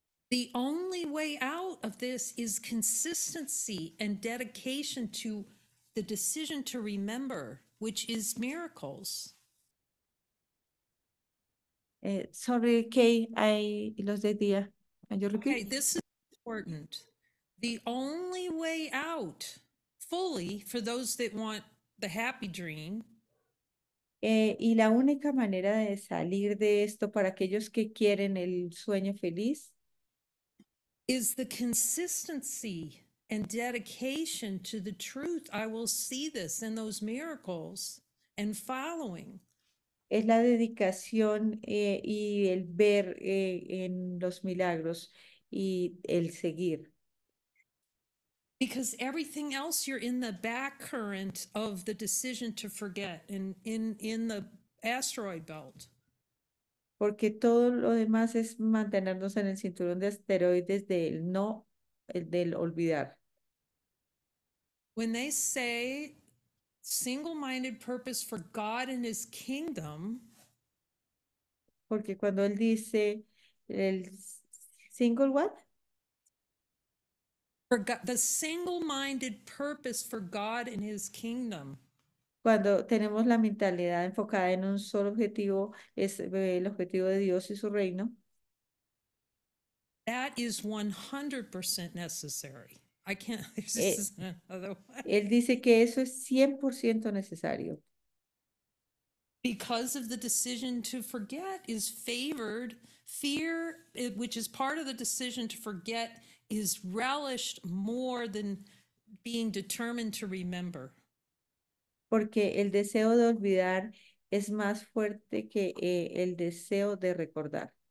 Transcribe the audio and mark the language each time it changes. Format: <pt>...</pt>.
<en>The only way out of this is consistency and dedication to the decision to remember, which is miracles. Sorry, Kay, I lost the idea. Can you Okay, repeat? this is important. The only way out fully for those that want the happy dream.</en> <es>Y la única manera de salir de esto para aquellos que quieren el sueño feliz</es> <en>Is the consistency and dedication to the truth. I will see this in those miracles and following.</en> <es>es la dedicación y el ver en los milagros y el seguir.</es> <en>Because everything else, you're in the back current of the decision to forget and in the asteroid belt.</en> <es>Porque todo lo demás es mantenernos en el cinturón de asteroides del no, del olvidar.</es> <en>When they say single-minded purpose for God and His kingdom,</en> <es>Porque cuando él dice el</es> <en>single what? the single-minded purpose for God and His kingdom.</en> <es>Cuando tenemos la mentalidad enfocada en un solo objetivo, es el objetivo de Dios y su reino.</es> <en>That is 100% necesary. I can't, this is another way.</en> <es>Él dice que eso es 100% necesario.</es> <en>Because of the decision to forget is favored, fear, which is part of the decision to forget, is relished more than being determined to remember.</en> <es>Porque el deseo de olvidar es más fuerte que el deseo de recordar.</es>